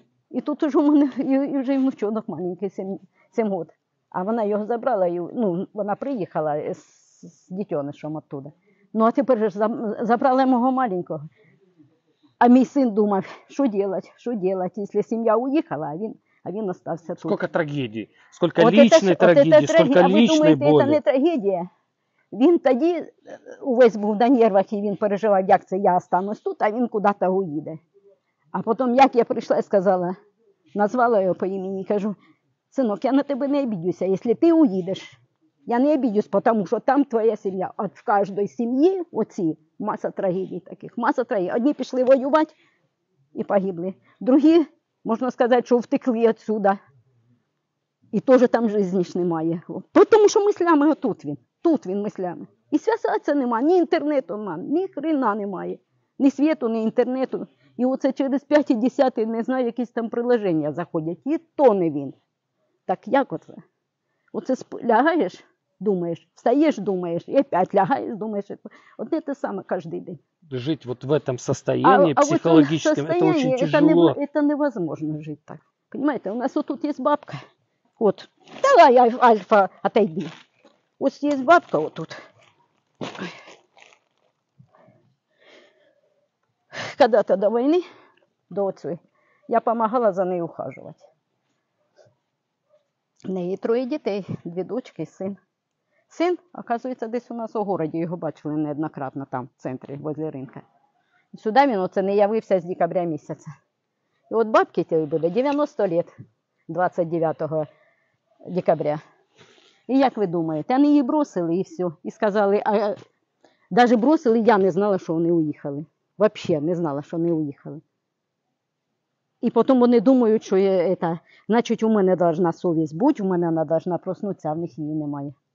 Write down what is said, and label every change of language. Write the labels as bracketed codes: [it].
[ru] И тут уже у меня, и уже внучонок маленький, 7 год. [uk] А вона його забрала, ну, вона приїхала з дитинішем оттуда. Ну, а тепер же забрала мого маленького. [ru] А мой сын думал, что делать, если семья уехала, а он остался тут. Сколько трагедий, сколько вот личной это, трагедии, вот сколько а личной боли. А вы думаете, это не трагедия? Он тогда весь был на нервах, и он переживал, как это я останусь тут, а он куда-то уедет. А потом, как я пришла и сказала, назвала его по имени, кажу, сынок, я на тебя не обидюсь, если ты уедешь, я не обидюсь, потому что там твоя семья. От в каждой семье оці маса трагедий таких, маса трагедий. [uk] Одни пішли воювати і погибли. Другі, можна сказати, що втекли отсюда. І теж там житті немає. Тому що мислями отут він. Тут він мислями. І зв'язатися нема, ні інтернету немає, ні хрена немає. Ні світу, ні інтернету. І оце через 5-10, не знаю, якісь там приложення заходять. І то не він. Так як оце? Оце лягаєш? Думаєш, встаєш, думаєш, і опять лягаєш, думаєш. От не те саме кожен день. [ru] Жити от в этом состоянии психологическом, это очень тяжело. Это невозможно жить так. Понимаете, [uk] у нас отут є бабка. От. Давай, Альфа, отойди. Ось є бабка отут. [ru] Когда-то до войны, до отцу, я помогала за ней ухаживать. [uk] У неї троє дітей, дві дочки і син. [ru] Син, оказывается, десь у нас у городе, его бачили неоднократно там, в центре, возле рынка. [uk] Сюда він оце не явився з декабря місяця. І от бабки тебе буде 90 лет, 29 декабря. І як ви думаєте, вони її бросили і все. І сказали, а даже бросили, я не знала, що вони уїхали. [ru] Вообще не знала, [uk] що вони уїхали. І потім вони думають, що это, значить, у мене должна совість бути, у мене вона должна проснутися, а в них її немає.